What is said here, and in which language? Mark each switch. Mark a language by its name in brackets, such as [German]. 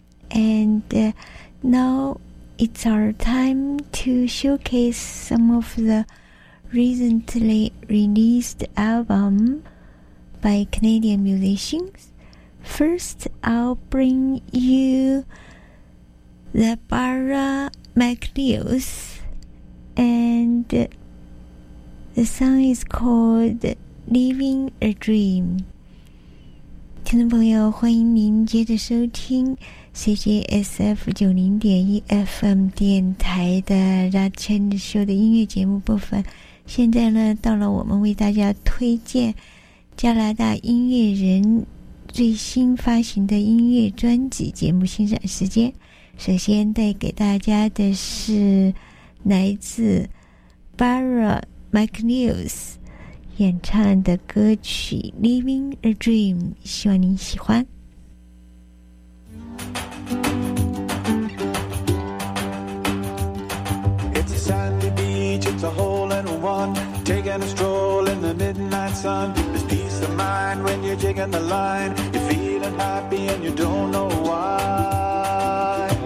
[English] And now it's our time to showcase some of the recently released album by Canadian musicians. First, I'll bring you the Barra McLeod'sAnd the song is called Living a Dream. [Chinese] 听众朋友，欢迎您接着收听 CJSF 90.1 FM 电台的 The Change Show 的音乐节目部分。现在呢，到了我们为大家推荐加拿大音乐人最新发行的音乐专辑节目欣赏时间。首先带给大家的是来自 Barra McLeod 演唱的歌曲 Living a Dream， 希望您喜欢。 [English] It's a sandy beach, it's a hole in one, taking a stroll in the midnight sun, there's peace of mind. mind when you're jigging the line. You're feeling happy and you don't know why.